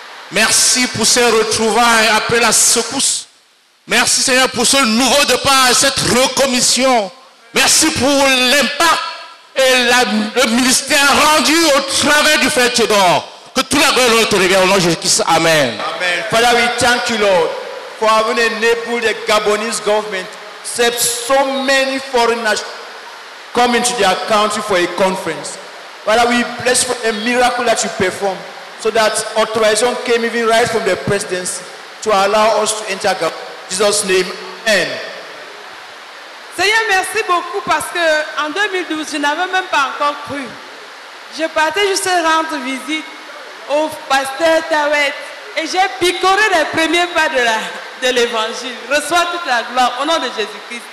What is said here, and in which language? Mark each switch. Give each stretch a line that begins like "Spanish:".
French: Merci pour ces retrouvailles après la secousse. Merci Seigneur pour ce nouveau départ, cette recommission. Merci pour l'impact et le ministère rendu au travers du fait d'or. Que tout la gloire te revienne au nom de Jésus-Christ. Amen.
English: Amen. Father, we thank you, Lord, for having enabled the Gabonese government accept so many foreign nations coming to their country for a conference. Father, we bless for a miracle that you perform, so that authorization came even right from the presidency to allow us to enter God. In Jesus' name, amen.
French: Seigneur, merci beaucoup parce que en 2012, je n'avais même pas encore cru. Je partais juste rendre visite au pasteur Tawet et j'ai picoré les premiers pas de l'évangile. Reçois toute la gloire au nom de Jésus-Christ.